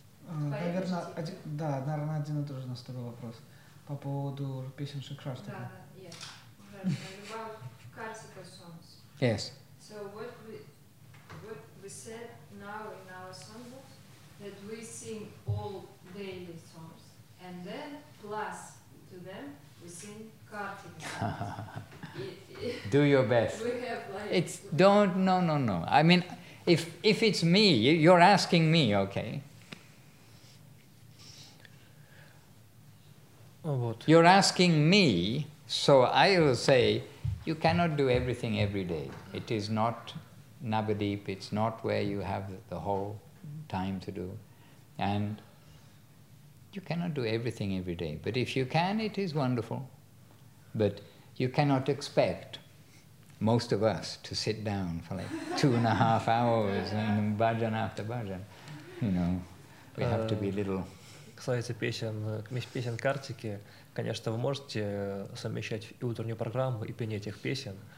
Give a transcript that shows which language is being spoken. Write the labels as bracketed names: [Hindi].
[Russian] Наверное, один и тот же у нас такой вопрос по поводу песен Шикшаштака. Да, Карсика songs. [English] Yes. So what we said now in our songbook that we sing all daily songs and then plus to them we sing Kartika songs. Do your best. We have like. It's don't no no no. I mean, if it's me, you're asking me, okay? What? You're asking me, so I will say, you cannot do everything every day. It is not Navadvip, it's not where you have the whole time to do. And you cannot do everything every day. But if you can, it is wonderful. But you cannot expect most of us to sit down for like 2.5 hours and bhajan after bhajan. You know, we have to be little. [Russian] Песен Картики, конечно, вы можете совмещать и утреннюю программу, и пение этих песен.